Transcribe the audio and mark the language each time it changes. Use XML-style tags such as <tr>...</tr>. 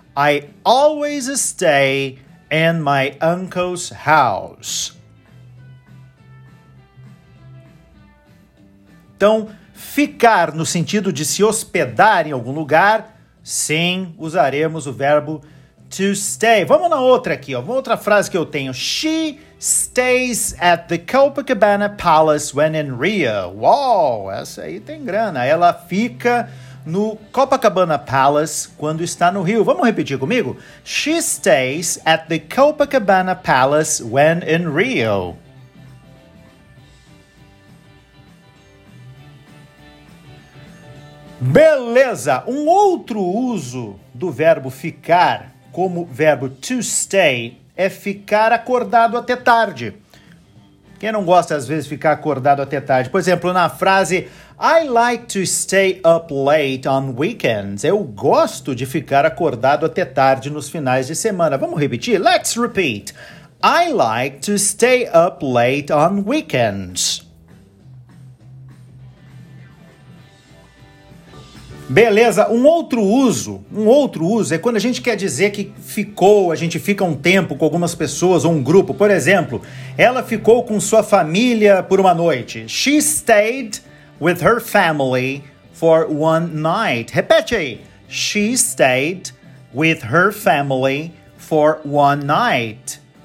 <en>I always stay in my uncle's house.</en> <pt>Então, ficar no sentido de se hospedar em algum lugar, sim, usaremos o verbo to stay. Vamos na outra aqui, ó. Uma outra frase que eu tenho.</pt> <en>She stays at the Copacabana Palace when in Rio.</en> <pt>Uau, essa aí tem grana. Ela fica no Copacabana Palace quando está no Rio. Vamos repetir comigo?</pt> <en>She stays at the Copacabana Palace when in Rio.</en> <pt>Beleza! Um outro uso do verbo ficar como verbo to stay é ficar acordado até tarde. Quem não gosta, às vezes, ficar acordado até tarde? Por exemplo, na frase</pt> <en>I like to stay up late on weekends.</en> <pt>Eu gosto de ficar acordado até tarde nos finais de semana. Vamos repetir?</pt> <en>Let's repeat. I like to stay up late on weekends.</en> <pt>Beleza, um outro uso é quando a gente quer dizer que ficou, a gente fica um tempo com algumas pessoas ou um grupo. Por exemplo, ela ficou com sua família por uma noite.</pt> <en>She stayed with her family for one night.</en> <pt>Repete aí.</pt> <en>She stayed with her family for one night.</en>